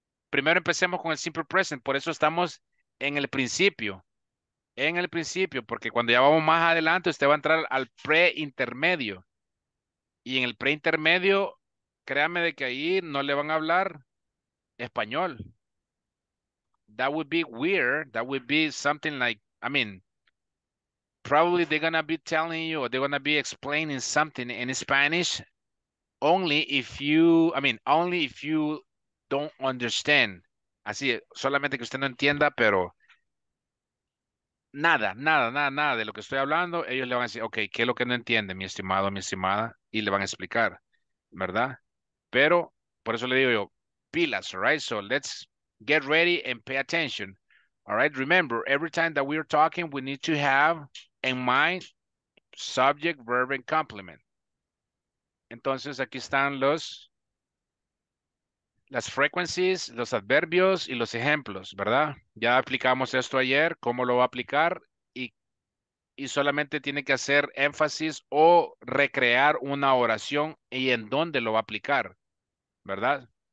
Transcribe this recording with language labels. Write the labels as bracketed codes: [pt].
[es] Primero empecemos con el simple present, por eso estamos en el principio. En el principio, porque cuando ya vamos más adelante, usted va a entrar al pre-intermedio. Y en el pre-intermedio, créame de que ahí no le van a hablar español. [en] That would be weird. That would be something like, I mean, probably they're going to be telling you or they're going to be explaining something in Spanish only if you, I mean, only if you don't understand. [es] Así, solamente que usted no entienda, pero nada, nada, nada, nada de lo que estoy hablando, ellos le van a decir, okay, ¿qué es lo que no entiende, mi estimado, mi estimada? Y le van a explicar, ¿verdad? Pero, por eso le digo yo, pilas, right? [en] So let's get ready and pay attention. All right, remember, every time that we're talking, we need to have in mind subject, verb, and complement. [es] Entonces, aquí están los, las frequencies, los adverbios y los ejemplos, ¿verdad? Ya aplicamos esto ayer, cómo lo va a aplicar y solamente tiene que hacer énfasis o recrear una oración y en dónde lo va a aplicar, ¿verdad?